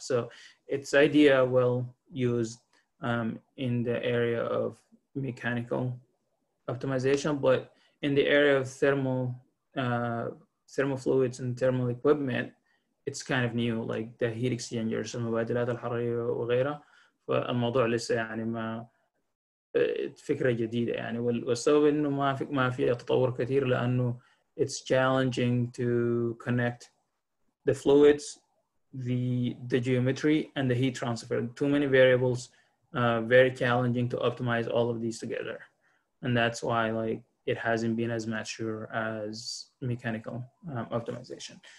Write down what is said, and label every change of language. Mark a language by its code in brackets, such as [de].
[en] So it's idea well used in the area of mechanical optimization, but in the area of thermal fluids and thermal equipment, it's kind of new, like the heat exchangers, [ar] المبادلات الحرارية وغيرها. فالموضوع لسه يعني ما فكرة جديدة يعني. والسبب إنه ما في تطور كثير، لأنه [en] it's challenging to connect the fluids, the geometry, and the heat transfer. Too many variables, very challenging to optimize all of these together. And that's why like it hasn't been as mature as mechanical optimization.